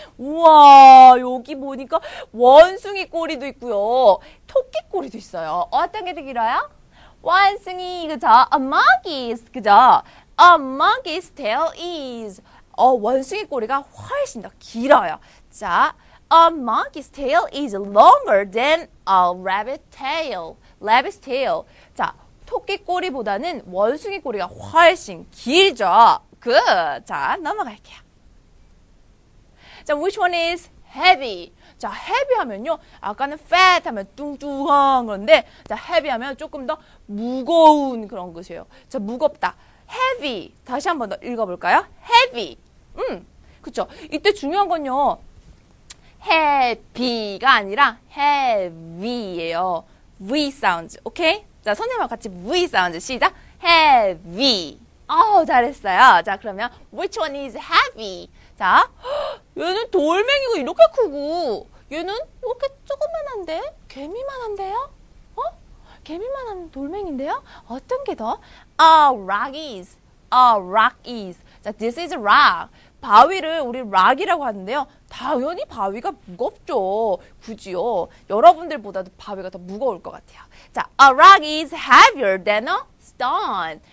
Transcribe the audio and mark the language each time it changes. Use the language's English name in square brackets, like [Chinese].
[Korean] 우와, 여기 보니까 원숭이 꼬리도 있고요. 토끼 꼬리도 있어요. 어떤 게 더 길어요? 원숭이, 그죠? [English] A monkey's, 그죠? A monkey's tail is. [Korean] 원숭이 꼬리가 훨씬 더 길어요. [English] 자, a monkey's tail is longer than a rabbit tail. Rabbit's tail. [Korean] 자, 토끼 꼬리보다는 원숭이 꼬리가 훨씬 길죠. [English] Good. 자, 넘어갈게요. 자, which one is heavy? 자, heavy 하면요. [Korean] 아까는 fat 하면 뚱뚱한 그런데, 자, heavy 하면 조금 더 무거운 그런 것이에요. 자, 무겁다. heavy. 다시 한번 더 읽어볼까요? heavy. 그쵸. 이때 중요한 건요. heavy가 아니라 heavy예요. V 사운드. 오케이? 자, 선생님하고 같이 V 사운드. 시작. heavy. 잘했어요. [English] 자, 그러면 which one is heavy? [Korean] 자, 얘는 돌멩이고 이렇게 크고 얘는 이렇게 조그만한데 개미만한데요? 어? 개미만한 돌멩인데요? 어떤 게 더? [English] A rock is. A rock is. 자, this is a rock. [Korean] 바위를 우리 rock이라고 하는데요. 당연히 바위가 무겁죠. 굳이요. 여러분들보다도 바위가 더 무거울 것 같아요. [English] 자, a rock is heavier than a stone.